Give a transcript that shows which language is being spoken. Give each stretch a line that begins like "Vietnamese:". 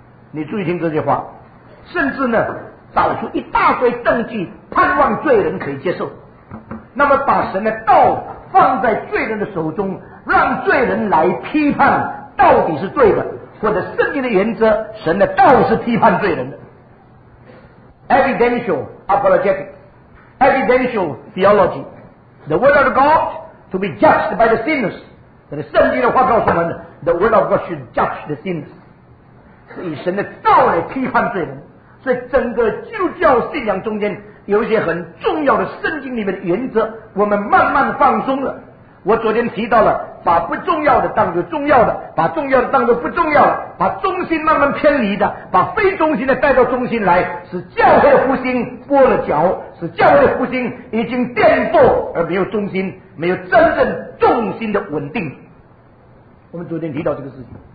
Chinese: 你注意听这些话，甚至呢找出一大堆证据盼望罪人可以接受，那么把神的道放在罪人的手中，让罪人来批判到底是对的，或者圣经的原则，神的道是批判罪人的。
English: Evidential apologetic, Evidential theology, The word of God to be judged by the sinners.
Chinese: 但是圣经的话告诉我们，
English: The word of God should judge the sinners.
Chinese: 以神的道来批判罪人。所以整个基督教信仰中间有一些很重要的圣经里面的原则，我们慢慢放松了。我昨天提到了，把不重要的当作重要的，把重要的当作不重要的，把中心慢慢偏离的，把非中心的带到中心来，使教会的复兴跛了脚，使教会的复兴已经颠簸而没有中心，没有真正重心的稳定。我们昨天提到这个事情，